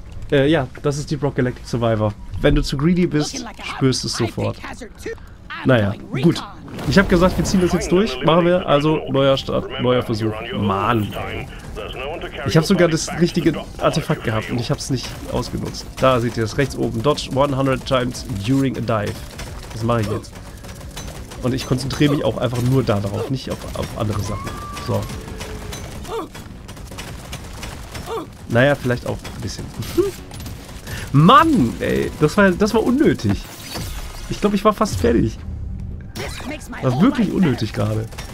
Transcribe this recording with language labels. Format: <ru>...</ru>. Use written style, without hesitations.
<de>Ja, das ist die Brock Galactic Survivor. Wenn du zu greedy bist, spürst du es sofort. Naja, gut. Ich habe gesagt, wir ziehen das jetzt durch. Machen wir also neuer Start, neuer Versuch. Mann. Ich habe sogar das richtige Artefakt gehabt und ich habe es nicht ausgenutzt. Da seht ihr es rechts oben.</de> <en>Dodge 100 times during a dive.</en> <de>Das mache ich jetzt. Und ich konzentriere mich auch einfach nur darauf, nicht auf andere Sachen. So. Naja, vielleicht auch ein bisschen. Mann, ey, das war unnötig. Ich glaube, ich war fast fertig. War wirklich unnötig gerade.</de>